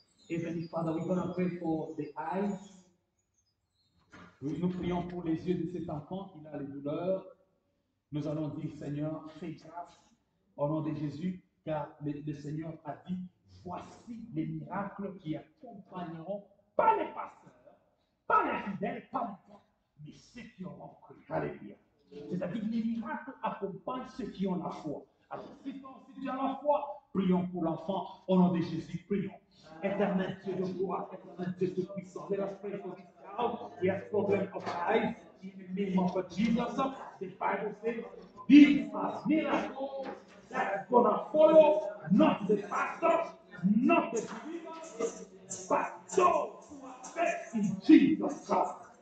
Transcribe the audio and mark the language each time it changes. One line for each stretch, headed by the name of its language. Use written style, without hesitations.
English: Heavenly Father, we're going to pray for the eyes.
French: Nous prions pour les yeux de cet enfant. Il a les douleurs. Nous allons dire, Seigneur, fais grâce au nom de Jésus, car le Seigneur a dit, voici les miracles qui accompagneront pas les pasteurs, pas les fidèles, pas les gens, mais ceux qui ont cru. Alléluia. C'est-à-dire que les miracles accompagnent ceux qui ont la foi. Alors, si tu as la foi, prions pour l'enfant. Au nom de Jésus, prions. Éternel Dieu de gloire, éternel Dieu de puissance.
English: Let us pray for this child. He has problems of eyes. In the name of Jesus, the Bible says, these are miracles that are going to follow, not the pastor, not the believer, but those who have faith in Jesus Christ.